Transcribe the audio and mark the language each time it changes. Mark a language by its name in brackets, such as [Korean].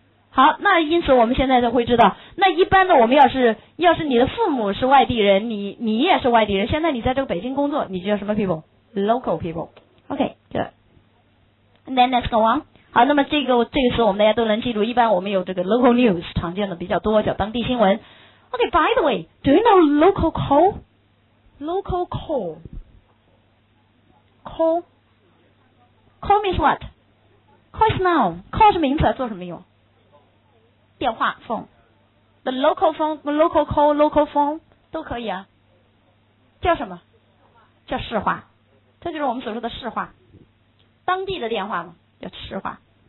[Chinese] 好，那因此我们现在就会知道，那一般的我们要是你的父母是外地人，你也是外地人，现在你在这个北京工作，你叫什么 people? [English] Local people. OK, good. And then let's go on. [Chinese] 好，那么这个词我们大家都能记住，一般我们有这个 local news, 常见的比较多，叫当地新闻。 [English] OK, by the way, do you know local call? Local call. Call? Call means what? Call is noun. [Chinese] Call 是名词，做什么用？电话 phone, the local phone, local call, local phone 都可以啊。叫什么？叫市话，这就是我们所说的市话，当地的电话嘛，叫市话。